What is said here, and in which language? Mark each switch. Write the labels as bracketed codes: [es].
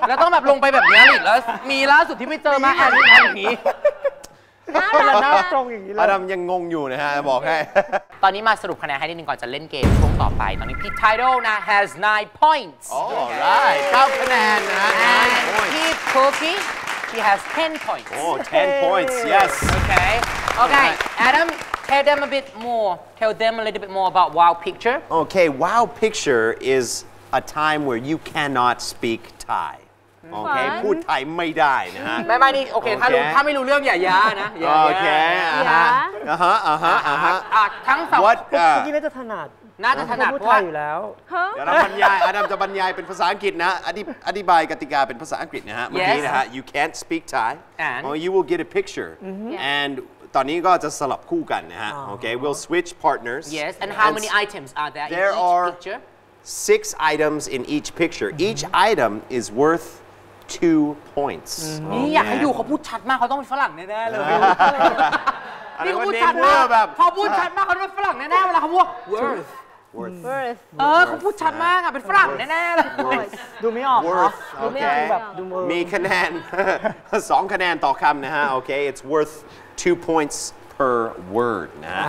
[th] แล้วต้องแบบลงไปแบบนี้หลีดแล้วมีล่าสุดที่ไม่เจอมาอันนี้ทางนี้ อาดัมยังงงอยู่นะฮะบอกให้ตอนนี้มาสรุปคะแนนให้นิดนึงก่อนจะเล่นเกมช่วงต่อไปตอนนี้พี่ไทโรนะ [en] has 9 points [th] โอ้ได้เข้าคะแนนนะ [en] and พี่คุกกี้ she has 10 points โอ้10 points yes okay okay Adam tell them a bit more tell them a little bit more about Wow Picture okay Wow Picture is a time where you cannot speak Thai [th] โอเคพูดไทยไม่ได้นะฮะ ไม่นี่โอเคถ้ารู้ถ้าไม่รู้เรื่องอย่ายานะอย่ า โอเคอ่าฮะอ่าฮะอ่าฮะ ทั้งสอง ค น เมื่อกี้น่าจะถนัด น่าจะถนัด พูดไทยอยู่แล้ว เดี๋ยวเราบรรยายอาดัมจะบรรยายเป็นภาษาอังกฤษนะอธิบายกติกาเป็นภาษาอังกฤษนะฮะเมื่อกี้นะฮะ [en] you can't speak Thai or you will get a picture and [th] ตอนนี้ก็จะสลับคู่กันนะฮะโอเค [en] we'll switch partners yes and how many items are there in each picture 6 items in each picture each item is worth 2 points [th] นี่อยากให้ดูเขาพูดชัดมากเขาต้องเป็นฝรั่งแน่ๆเลยนี่เขาพูดชัดมากเขาต้องเป็นฝรั่งแน่ๆเวลาเขาพูด worth worth เออเขาพูดชัดมากอ่ะเป็นฝรั่งแน่ๆเลย ดูไม่ออก เหรอโอเคแบบดูมีคะแนน2คะแนนต่อคำนะฮะโอเค [en] it's worth 2 points per word [th] นะ